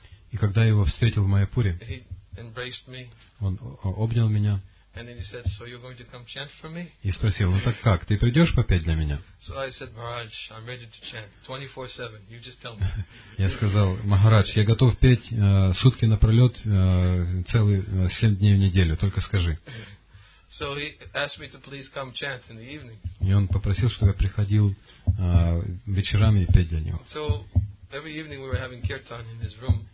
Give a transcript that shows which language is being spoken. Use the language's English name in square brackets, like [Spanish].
[Russian] И когда я его встретил в Майяпуре, он обнял меня. [English] And then he said, "So you're going to come chant for me?" [Russian] И спросил, ну так как, ты придешь попеть для меня? [English] So I said, "Maharaj, I'm ready to chant 24/7. You just tell me." [Russian] Я сказал, Махарадж, я готов петь сутки напролет, целый 7 дней в неделю, только скажи. [English] So he asked me to please come chant in the evening. [Russian] И он попросил, чтобы я приходил вечерами и петь для него. [English] So every evening we were having kirtan in his room.